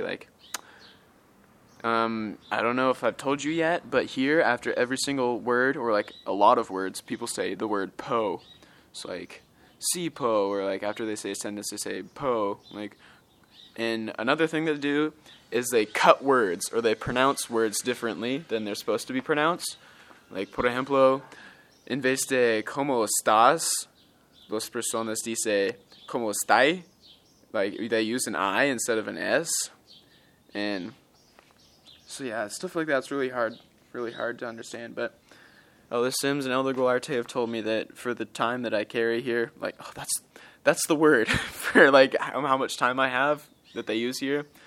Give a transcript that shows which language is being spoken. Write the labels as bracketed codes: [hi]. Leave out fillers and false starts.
[en] Like, I don't know if I've told you yet, but here, after every single word, or like a lot of words, people say the word po. It's like, si po, or like after they say a sentence, they say po. Like, and another thing that they do is they cut words, or they pronounce words differently than they're supposed to be pronounced. [es] Like, por ejemplo, en vez de cómo estás, las personas dicen cómo estás. [en] Like, they use an I instead of an S. And so, yeah, stuff like that's really hard to understand. But Elder Sims and Elder Gularte have told me that for the time that I carry here, like, oh, that's the word for, like, how much time I have that they use here.